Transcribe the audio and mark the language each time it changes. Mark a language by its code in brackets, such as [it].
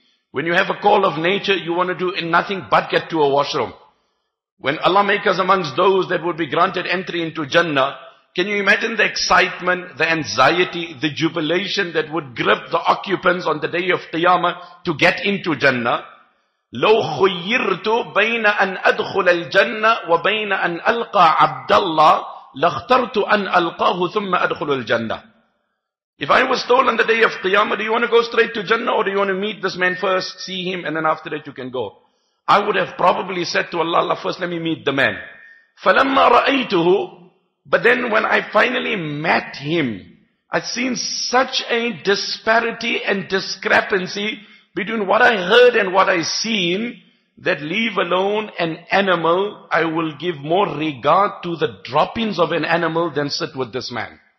[en] When you have a call of nature, you want to do nothing but get to a washroom. When Allah make us amongst those that would be granted entry into Jannah, can you imagine the excitement, the anxiety, the jubilation that would grip the occupants on the day of Qiyamah to get into Jannah? [ar] لو خيرت بين أن أدخل الجنة وبين أن ألقى عبد الله لاخترت أن ألقاه ثم أدخل الجنة. [en] If I was told on the day of Qiyamah, do you want to go straight to Jannah or do you want to meet this man first, see him, and then after that you can go? I would have probably said to Allah, Allah, first let me meet the man. [ar] فلما رأيته, [en] but then when I finally met him, I'd seen such a disparity and discrepancy between what I heard and what I seen, that leave alone an animal, I will give more regard to the droppings of an animal than sit with this man.